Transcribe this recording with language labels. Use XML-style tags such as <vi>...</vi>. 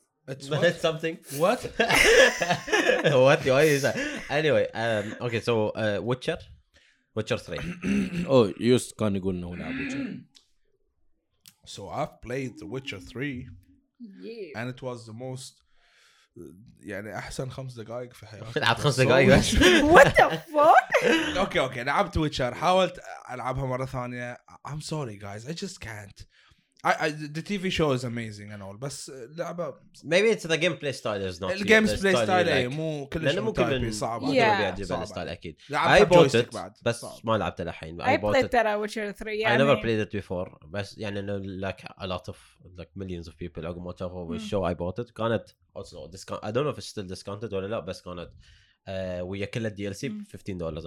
<en>It's something. What? What? Why is that? Anyway, okay. So, Witcher. Witcher 3. Oh, you just can't go now. Witcher. So I've played The Witcher 3. Yeah. And it was the most...</en> <ar>يعني أحسن خمس دقائق في حياتي. لعبت خمس دقائق بس.</ar> <en>What the fuck? Okay.</en> <ar>لعبت Witcher. حاولت ألعبها مرة ثانية.</ar> <en>I'm sorry guys. I just can't. The TV show is amazing and all.</en> <ar>بس لعبة...</ar> <en>Maybe it's the gameplay style is not... Gameplay style ايه.</en> <ar>مو كل شيء متعبي صعب. أكيد.</ar> <en>I bought it.</en> <ar>بس ما لعبت الحين.</ar> <en>I played that Witcher 3. I never played it before. بس يعني like a lot of like millions of people</en> <ar>عقب ما شافوا الشو</ar> <en>I bought it. كانت also discount. I don't know if it's still discounted ولا لا.</en> <ar>بس كانت ويا كل DLC $15.</ar>